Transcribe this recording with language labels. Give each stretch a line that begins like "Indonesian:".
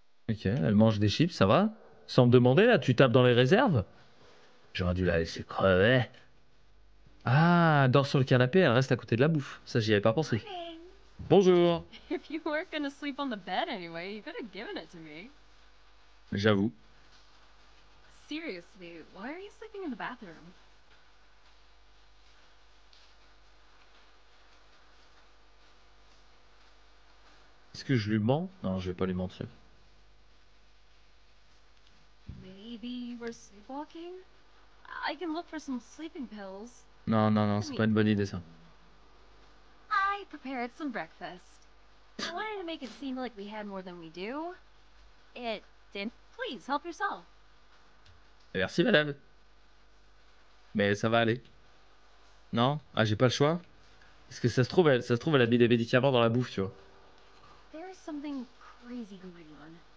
French: Ok, elle mange des chips, ça va? Sans me demander, là, tu tapes dans les réserves? J'aurais dû la laisser crever. Ah, elle dort sur le canapé, elle reste à côté de la bouffe. Ça, j'y avais pas pensé. Bonjour.
English: If you weren't gonna sleep on the bed anyway, you could have given it to me.
French: J'avoue.
English: Seriously, why are you sleeping in the bathroom?
French: Est-ce que je lui mens? Non, je vais pas lui mentir.
English: Maybe you were sleepwalking? I can look for some sleeping pills.
French: Non, c'est pas une bonne idée ça.
English: I prepared some breakfast. I wanted to make it seem like we had more than we do. It didn't. Please help yourself.
French: Merci, madame. Mais ça va aller. Non? Ah, j'ai pas le choix. Parce que ça se trouve elle a mis des médicaments dans la bouffe, tu vois.
English: There's something crazy going on.